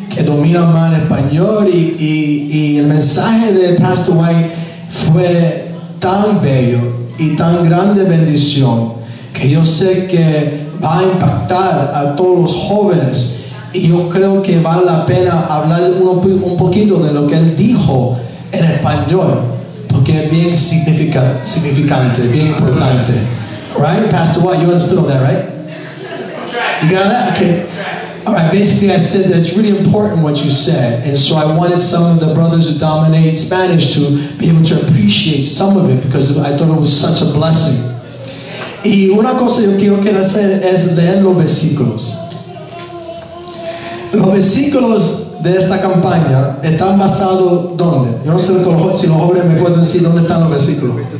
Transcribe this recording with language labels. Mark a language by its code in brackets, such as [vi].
[es] Que domina mal español y el mensaje de Pastor White fue tan bello y tan grande bendición que yo sé que va a impactar a todos los jóvenes y yo creo que vale la pena hablar un poquito de lo que él dijo en español porque es bien significante, bien importante. [en] Right, Pastor White, you understood that, right? You got that? Okay. All right, basically I said that it's really important what you said, and so I wanted some of the brothers who dominate Spanish to be able to appreciate some of it, because I thought it was such a blessing. [es] Y una cosa yo quiero que hacer es leer los versículos. Los versículos de esta campaña están basados, ¿dónde? Yo no sé si los jóvenes me pueden decir dónde están los versículos.